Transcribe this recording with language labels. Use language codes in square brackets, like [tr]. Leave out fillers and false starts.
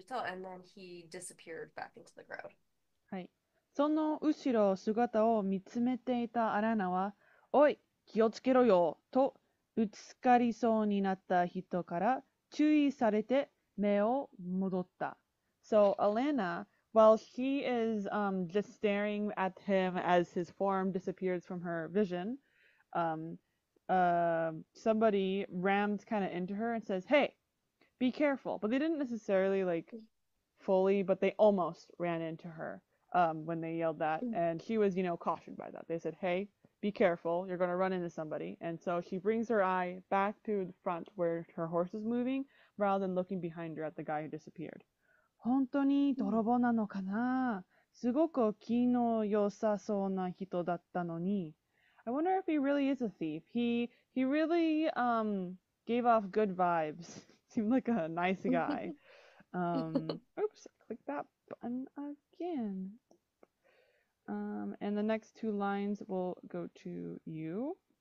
[en] And then he disappeared back into the crowd. [ja] その後ろ姿を見つめていたアラナは、おい、気をつけろよ、とぶつかりそうになった人から注意されて目を戻った。 [en] So, Alanna, while she is just staring at him as his form disappears from her vision, somebody rams kind of into her and says, hey, be careful. But they didn't necessarily like fully, but they almost ran into her. When they yelled that, and she was, cautioned by that. They said, hey, be careful, you're gonna run into somebody. And so she brings her eye back to the front where her horse is moving, rather than looking behind her at the guy who disappeared. [ja] 本当に泥棒なのかな？すごく気の良さそうな人だったのに。 [en] I wonder if he really is a thief. He really gave off good vibes. Seemed like a nice guy. Oops, click that button again. And the next two lines will go to you.